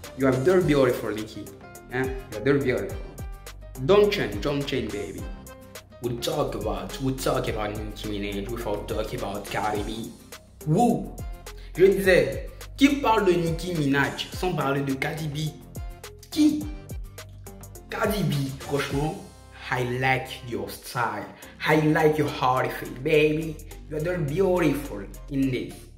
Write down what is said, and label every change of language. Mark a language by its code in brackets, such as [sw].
[en] You have done beautiful, Nikki. Hein? You have done beautiful. Don't chain, baby. We'll talk about Nicki Minaj without talking about Cardi B. Woo! [fr] Je disais, qui parle de Nicki Minaj sans parler de Cardi B? Qui? Cardi B, franchement, [en] I like your style. I like your heart, baby. You're done beautiful in this.